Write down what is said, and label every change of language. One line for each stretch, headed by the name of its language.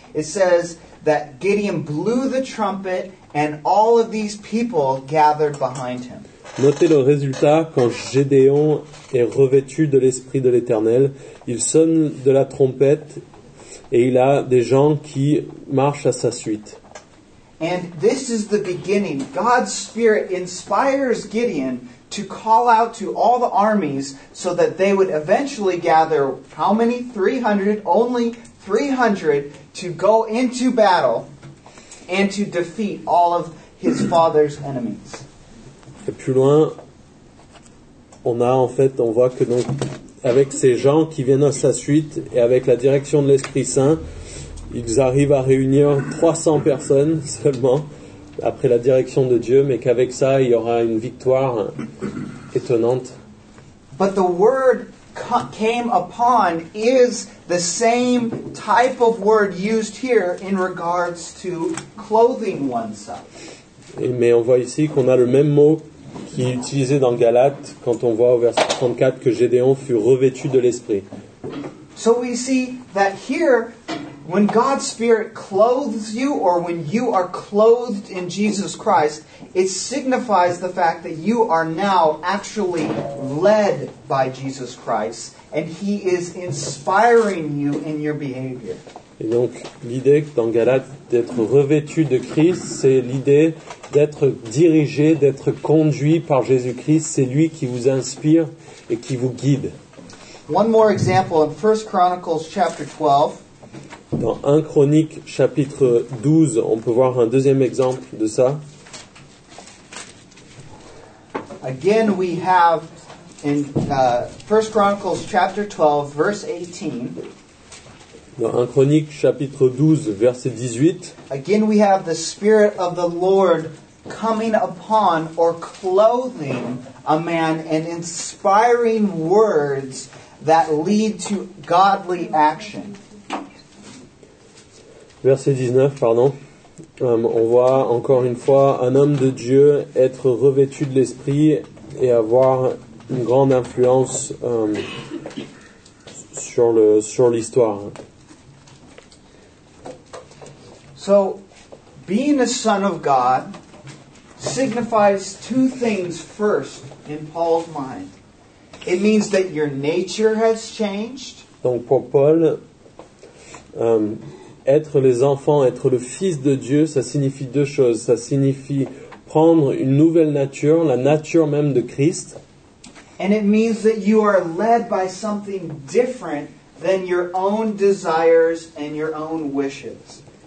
English: It says that Gideon blew the trumpet and all of these people gathered behind him.
French: Notez le résultat quand Gédéon est revêtu de l'Esprit de l'Éternel. Il sonne de la trompette et il a des gens qui marchent à sa suite.
English: And this is the beginning. God's Spirit inspires Gideon to call out to all the armies so that they would eventually gather, how many? 300, only 300, to go into battle and to defeat all of his father's enemies.
French: Et plus loin, on voit que donc, avec ces gens qui viennent à sa suite et avec la direction de l'Esprit Saint, ils arrivent à réunir 300 personnes seulement après la direction de Dieu, mais qu'avec ça, il y aura une victoire étonnante.
English: But the word came upon is the same type of word used here in regards to clothing oneself.
French: Mais on voit ici qu'on a le même mot qui est utilisé dans Galates quand on voit au verset 34 que Gédéon fut revêtu de l'Esprit.
English: So we see that here, when God's Spirit clothes you, or when you are clothed in Jesus Christ, it signifies the fact that you are now actually led by Jesus Christ, and He is inspiring you in your behavior.
French: Et donc, l'idée dans Galates d'être revêtu de Christ, c'est l'idée d'être dirigé, d'être conduit par Jésus-Christ. C'est lui qui vous inspire et qui vous guide.
English: One more example in 1 Chronicles chapter 12.
French: Dans 1 Chronique chapitre 12, on peut voir un deuxième exemple de ça.
English: Again, we have in 1 Chronicles chapter 12, verse 18.
French: Dans 1 Chronique chapitre 12, verset 18.
English: Again, we have the Spirit of the Lord coming upon or clothing a man and inspiring words that lead to godly action.
French: Verset 19, pardon. On voit encore une fois un homme de Dieu être revêtu de l'Esprit et avoir une grande influence sur l'histoire.
English: So, being a son of God signifies two things first in Paul's mind. It means that your nature has changed.
French: Donc pour Paul, être les enfants, être le fils de Dieu, ça signifie deux choses. Ça signifie prendre une nouvelle nature, la nature même de Christ.
English: And it means that you are led by something different than your own desires and your own wishes.